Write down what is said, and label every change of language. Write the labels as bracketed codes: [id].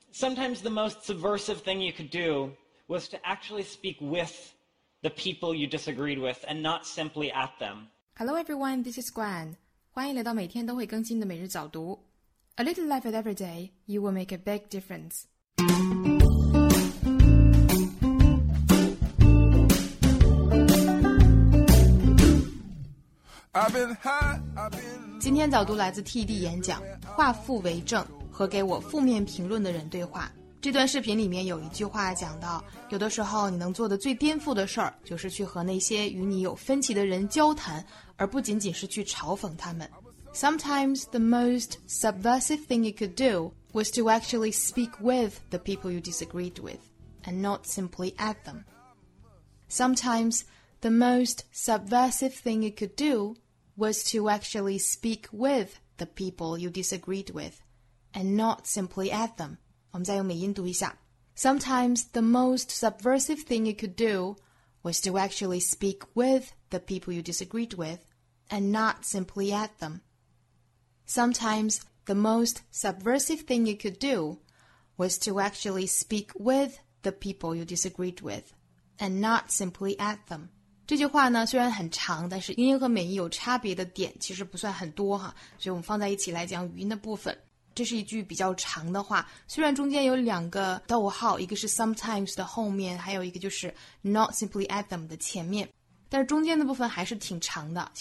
[en] sometimes the most subversive thing you could do was to actually speak with the people you disagreed with and not simply at them. Hello everyone, this is Gwen. [zh] 欢迎来到每天都会更新的每日早读。 [en] A little life at every day, you will make a big difference. I've been high, I've been low. [zh] 今天早读来自 TED 演讲，化负为正和给我负面评论的人对话。这段视频里面有一句话讲到，有的时候你能做的最颠覆的事儿，就是去和那些与你有分歧的人交谈，而不仅仅是去嘲讽他们。 [en] Sometimes the most subversive thing you could do was to actually speak with the people you disagreed with, and not simply at them. Sometimes the most subversive thing you could do was to actually speak with the people you disagreed with, and not simply at them. [zh] 我们再用美音读一下。 [en] Sometimes the most subversive thing you could do was to actually speak with the people you disagreed with and not simply at them. Sometimes the most subversive thing you could do was to actually speak with the people you disagreed with and not simply at them. [zh] 这句话呢虽然很长，但是音和美音有差别的点其实不算很多哈，所以我们放在一起来讲语音的部分。这是一句比较长的话，虽然中间有两个逗号，一个是 sometimes 的后面，还有一个就是 [en] not simply at them [zh] 的前面，但是中间的部分还是挺长的。